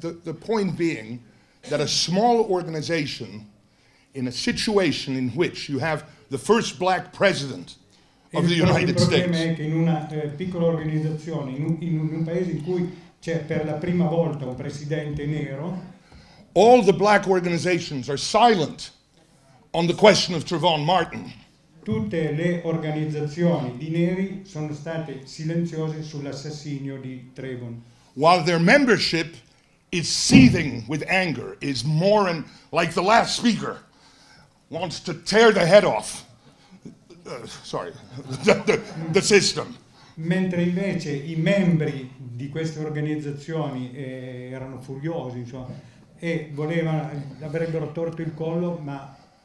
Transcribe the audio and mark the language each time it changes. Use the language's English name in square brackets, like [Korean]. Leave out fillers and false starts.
[English] The point being that a small organization in a situation in which you have the first black president of the United States. [Italian] Il problema è che in una piccola organizzazione, in un paese in cui c'è per la prima volta un presidente nero. [English] All the black organizations are silent on the question of Trayvon Martin. [Italian] Tutte le organizzazioni di neri sono state silenziose sull'assassinio di Trayvon. [English] While their membership is seething with anger, is more and like the last speaker, wants to tear the head off. The system. [Italian] Mentre invece i membri di queste organizzazioni erano furiosi, insomma, e avrebbero torto il collo, ma